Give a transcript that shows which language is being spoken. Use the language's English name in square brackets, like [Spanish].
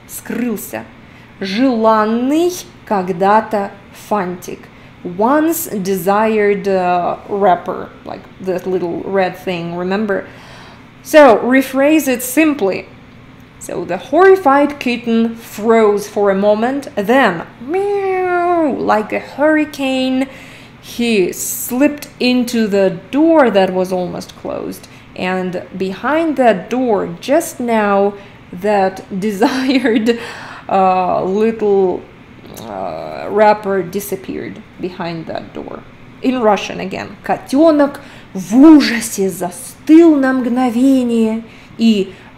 [Russian] скрылся, желанный когда-то фантик, [English] once desired wrapper, like that little red thing, remember? So, rephrase it simply. So the horrified kitten froze for a moment, then, meow, like a hurricane, he slipped into the door that was almost closed. And behind that door, just now, that desired little wrapper disappeared behind that door. In Russian again. [Russian] Котенок в ужасе застыл на мгновение и...